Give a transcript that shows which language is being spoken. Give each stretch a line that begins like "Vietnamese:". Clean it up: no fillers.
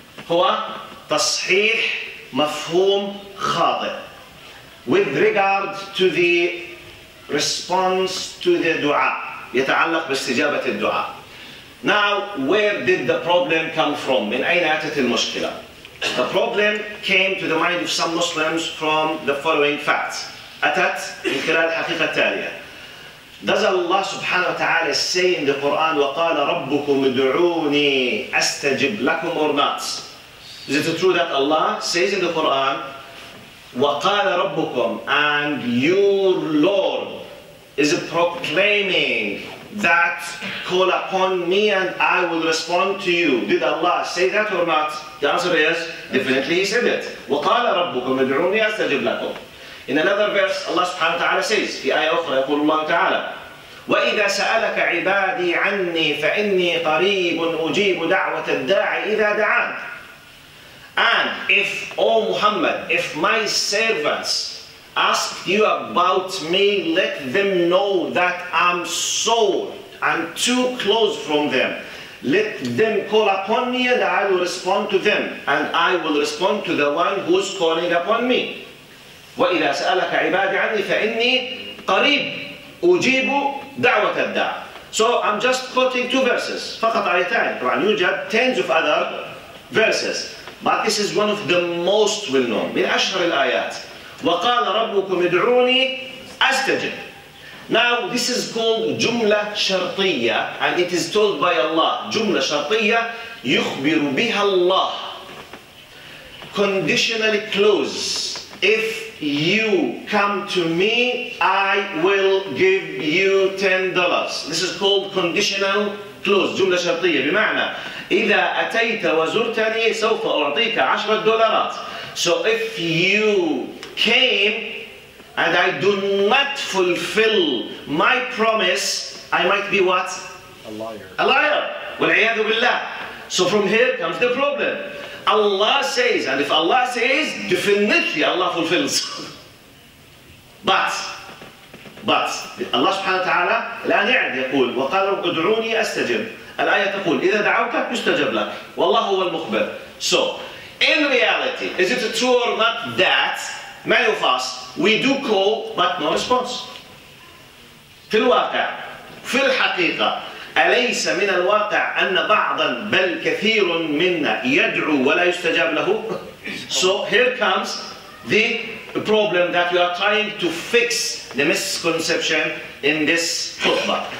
Arabic: هو تصحيح مفهوم خاطئ
English: with regard to the response to the dua,
Arabic: يتعلق باستجابة الدعاء.
English: Now, where did the problem come from?
Arabic: من أين أتت المشكلة?
English: The problem came to the mind of some Muslims from the following facts.
Arabic: أتت من خلال الحقيقة التالية.
English: Does Allah سبحانه وتعالى say in the Quran,
Arabic: وقال ربكم ادعوني أستجب لكم
English: or not? Is it true that Allah says in the Quran,
Arabic: وقال ربكم,
English: and your Lord is proclaiming that call upon me and I will respond to you. Did Allah say that or not? The answer is definitely he said it.
Arabic: وقال ربكم ادعوني أستجب لكم.
English: In another verse,
Arabic: Allah سبحانه وتعالى says, في آية أخرى يقول الله تعالى, وإذا سألك عبادي عني فإني قريب أجيب دعوة الداعي إذا دعان.
English: And if, O Muhammad, if my servants ask you about me, let them know that I'm so and too close from them. Let them call upon me and I will respond to them. And I will respond to the one who's calling upon me.
Arabic: وَإِذَا سَأَلَكَ عِبَادِ عَنِّي فَإِنِّي قَرِيبُ أُجِيبُ دَعْوَةَ الدَّعْ.
English: So I'm just quoting two verses.
Arabic: فقط آيتان. طبعا يوجد
English: tens of other verses. But this is one of the most well-known.
Arabic: من أشهر الآيات. وَقَالَ رَبُّكُمْ ادْعُونِي أَسْتَجِبْ.
English: Now this is called جملة شرطية. And it is told by Allah.
Arabic: جملة شرطية يخبر بها الله.
English: Conditionally close. If you come to me, I will give you $10. This is called conditional clause.
Arabic: جملة شرطية بمعنى إذا أتيت وزرتني سوف أعطيك $10.
English: So if you came and I do not fulfill my promise, I might be what? A liar. A liar.
Arabic: والعياذ بالله.
English: So from here comes the problem. Allah says, and if Allah says, definitely Allah fulfills.
Arabic: But Allah subhanahu wa ta'ala الآن يعد يقول وقال رب ادعوني أستجب. الآية تقول إذا دعوك يستجب لك والله هو المخبر.
English: So in reality, is it true or not that many of us we do call but no response?
Arabic: في الواقع في الحقيقة أليس من الواقع أن بعضا بل كثير منا يدعو ولا يستجاب له؟
English: So here comes the problem that we are trying to fix the misconception in this khutbah.